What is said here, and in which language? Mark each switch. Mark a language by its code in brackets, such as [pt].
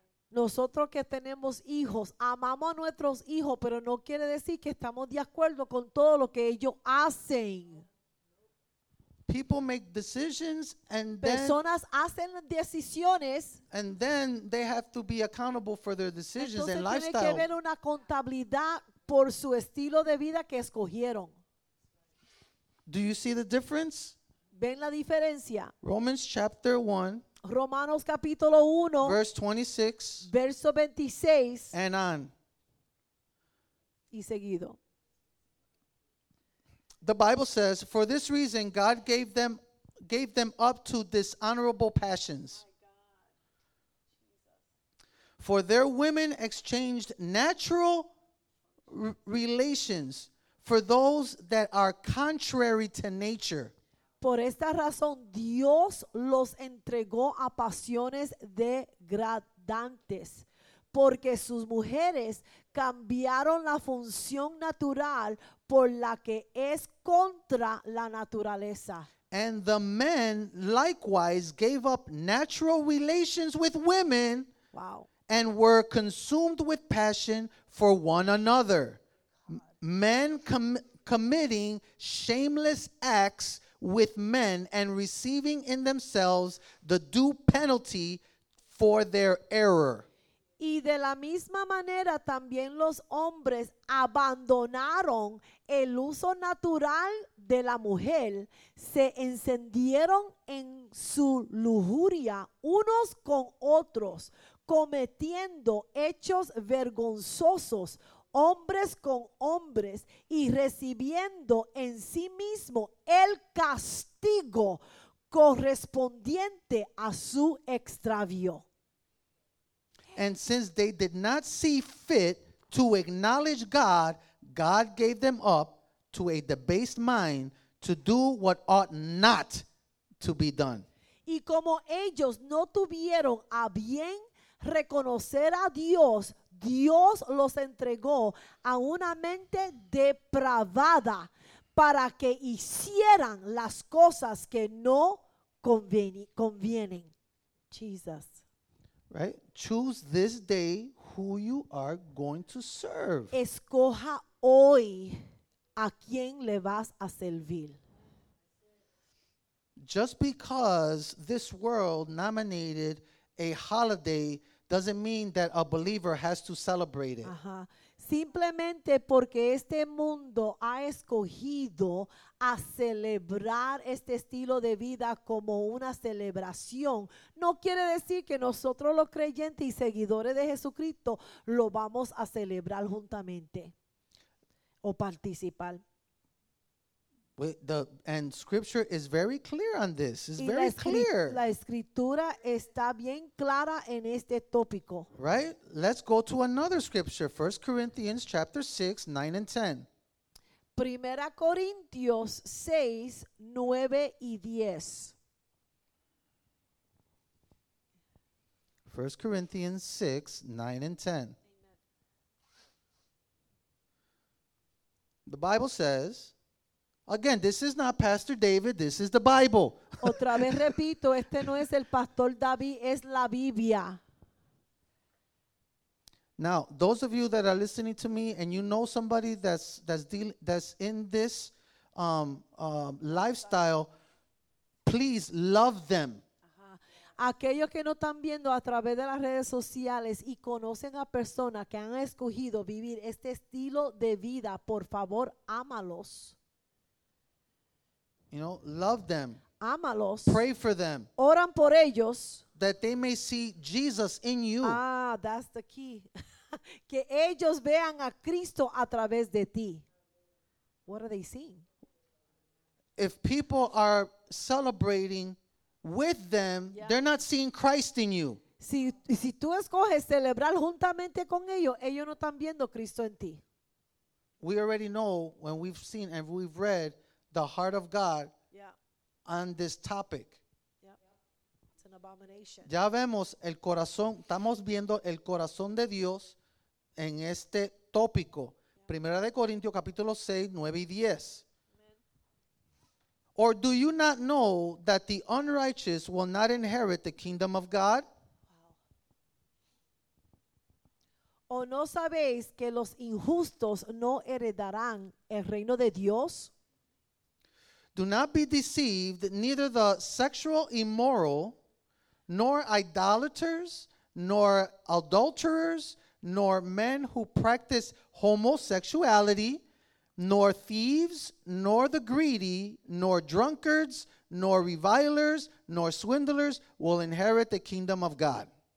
[es] Nosotros que tenemos hijos, amamos a nuestros hijos, pero no quiere decir que estamos de acuerdo con todo lo que ellos hacen. [en] People make decisions and [es] personas [en] then [es] hacen decisiones, [en] and then they have to be accountable for their decisions and lifestyle. [es] Entonces tiene que ver una contabilidad por su estilo de vida que escogieron. [en] Do you see the difference? [es] ¿Ven la diferencia? [en] Romans chapter 1, [es] Romanos capítulo 1, verso 26 [en] and on. [es] Y seguido. [en] The Bible says, for this reason, God gave them up to dishonorable passions. For their women exchanged natural relations for those that are contrary to nature. [es] Por esta razón, Dios los entregó a pasiones degradantes. Porque sus mujeres cambiaron la función natural por la que es contra la naturaleza. [en] And the men likewise gave up natural relations with women. Wow. And were consumed with passion for one another. Men committing shameless acts with men and receiving in themselves the due penalty for their error. [es] Y de la misma manera también los hombres abandonaron el uso natural de la mujer, se encendieron en su lujuria unos con otros, cometiendo hechos vergonzosos, hombres con hombres, y recibiendo en sí mismo el castigo correspondiente a su extravío. [en] And since they did not see fit to acknowledge God, God gave them up to a debased mind to do what ought not to be done. [es] Y como ellos no tuvieron a bien reconocer a Dios, Dios los entregó a una mente depravada para que hicieran las cosas que no convienen. [en] Jesus. Right? Choose this day who you are going to serve. [es] Escoja hoy a quién le vas a servir. [en] Just because this world nominated a holiday doesn't mean that a believer has to celebrate it. Uh-huh. [es] Simplemente porque este mundo ha escogido a celebrar este estilo de vida como una celebración, no quiere decir que nosotros los creyentes y seguidores de Jesucristo lo vamos a celebrar juntamente o participar. [en] And scripture is very clear on this. It's very clear. [es] La escritura está bien clara en este tópico. [en] Right? Let's go to another scripture. 1 Corinthians chapter 6, 9 and 10. [es] Primera Corintios 6, 9 y 10. [en] 1 Corinthians 6, 9 and 10. The Bible says, again, this is not Pastor David, this is the Bible. [es] Otra vez repito, este no es el Pastor David, es la Biblia. [en] Now, those of you that are listening to me and you know somebody that's in this lifestyle, please love them. [es] Aquellos que no están viendo a través de las redes sociales y conocen a personas que han escogido vivir este estilo de vida, por favor, ámalos. [en] You know, love them. [es] Ámalos. [en] Pray for them. [es] Oran por ellos. [en] That they may see Jesus in you. Ah, that's the key. [es] Que ellos vean a Cristo a través de ti. [en] What are they seeing? If people are celebrating with them, yeah, they're not seeing Christ in you. [es] Si tú escoges celebrar juntamente con ellos, ellos no están viendo Cristo en ti. [en] We already know when we've seen and we've read the heart of God, yeah, on this topic. Abomination. [es] Ya vemos el corazón, estamos viendo el corazón de Dios en este tópico. [en] Yeah. [es] Primera de Corintios capítulo 6, 9 y 10. [en] Amen. Or do you not know that the unrighteous will not inherit the kingdom of God? Wow. [es] ¿O no sabéis que los injustos no heredarán el reino de Dios? [en] Do not be deceived, neither the sexual immoral, nor idolaters, nor adulterers, nor men who practice homosexuality, nor thieves, nor the greedy, nor drunkards, nor revilers, nor swindlers will inherit the kingdom of God.